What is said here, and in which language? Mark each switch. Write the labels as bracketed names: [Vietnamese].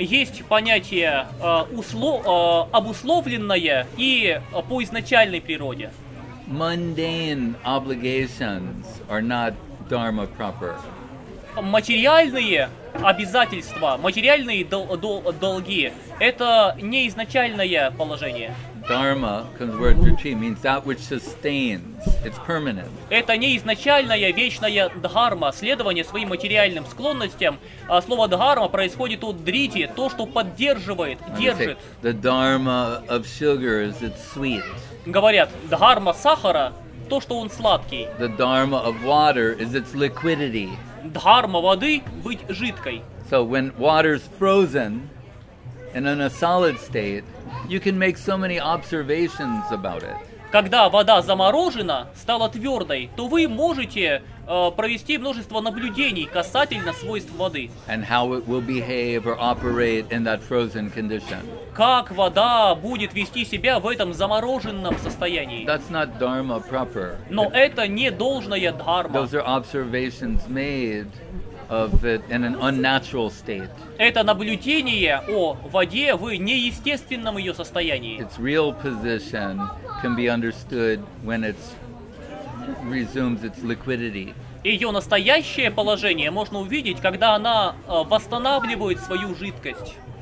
[Russian] Есть понятие обусловленное и по изначальной природе. [English] Mundane obligations are not dharma proper. [Russian] Материальные обязательства, материальные долги – это не изначальное положение. [English] Dharma, comes word dhruti, means that which sustains, it's permanent. [Russian] Это не изначальная вечная дхарма, следование своим материальным склонностям. Слово дхарма происходит от дрити, то, что поддерживает, держит. [English] The dharma of sugar is it's sweet. [Russian] Говорят, дхарма сахара – то, что он сладкий. [English] The dharma of water is its liquidity. [Russian] Дхарма воды быть жидкой. [English] So when water's frozen and in a solid state, you can make so many observations about it. [Russian] Когда вода заморожена, стала твердой, то вы можете провести множество наблюдений касательно свойств воды. [English] And how it will behave or operate in that frozen condition. [Russian] Как вода будет вести себя в этом замороженном состоянии. [English] That's not dharma proper. [Russian] Но это не должная дхарма. [English] Those are observations made of it in an unnatural state. [Russian] Это наблюдение о воде в неестественном ее состоянии. [English] Its real position can be understood when it resumes its liquidity. [Russian] Ее настоящее положение можно увидеть, когда она восстанавливает свою жидкость.